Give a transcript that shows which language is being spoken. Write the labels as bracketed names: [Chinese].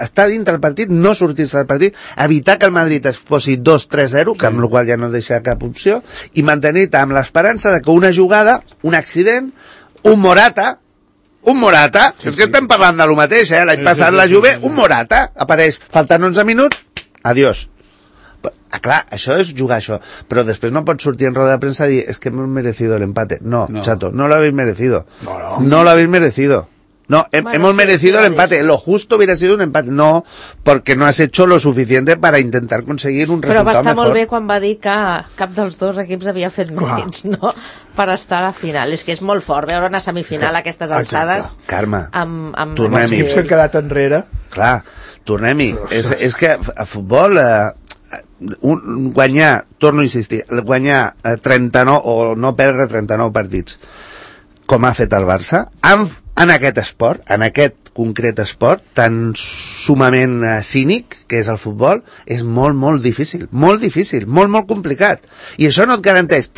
[Catalan] Estar dintre del partit, no sortir-se del partit, evitar que el Madrid es posi 2-3-0, que amb la qual ja no deixa cap opció, i mantenir-te amb l'esperança que una jugada, un accident, un Morata, sí, és que estem parlant de lo mateix, l'any passat la Juve, un Morata apareix, faltant 11 minuts, adiós. Clar, això és jugar això, però després no pots sortir en roda de premsa i dir, és que [Spanish] hemos merecido el empate. No, no. Chato, no lo habéis merecido. No, no. No lo habéis merecido. No, hemos merecido el empate. Lo justo hubiera sido un empate. No, porque no has hecho lo suficiente para intentar conseguir un resultado mejor. [Catalan] Però va estar molt bé quan va dir que cap dels dos equips havia fet mèrits, no? Per estar a la final. És que és molt fort veure una semifinal a aquestes alçades. Carme, tornem-hi. Els que han quedat enrere. Clar, tornem-hi. És que a futbol... guanyar, torno a insistir, guanyar 39 o no perdre 39 partits com ha fet el Barça en aquest esport, en aquest concret esport tan sumament cínic que és el futbol, és molt molt difícil, molt difícil, molt molt complicat, i això no et garanteix.